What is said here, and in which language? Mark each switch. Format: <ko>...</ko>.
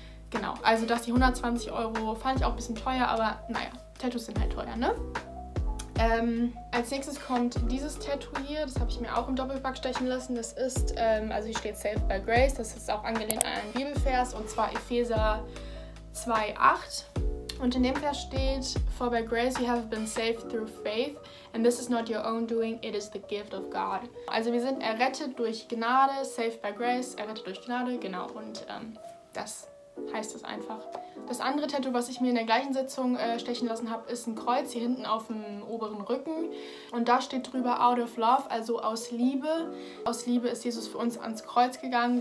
<de>Genau, also dass die 120 Euro, fand ich auch ein bisschen teuer, aber naja, Tattoos sind halt teuer, ne? Als nächstes kommt dieses Tattoo hier, das habe ich mir auch im Doppelpack stechen lassen. Das ist, also hier steht Saved by Grace, das ist auch angelehnt an einen Bibelvers und zwar Epheser 2,8. Und in dem Vers steht,</de> <en>For by grace you have been saved through faith, and this is not your own doing, it is the gift of God.</en> <de>Also wir sind errettet durch Gnade,</de> <en>saved by grace,</en> <de>errettet durch Gnade, genau, und das heißt es einfach. Das andere Tattoo, was ich mir in der gleichen Sitzung stechen lassen habe, ist ein Kreuz hier hinten auf dem oberen Rücken. Und da steht drüber Out of Love, also aus Liebe. Aus Liebe ist Jesus für uns ans Kreuz gegangen.</de>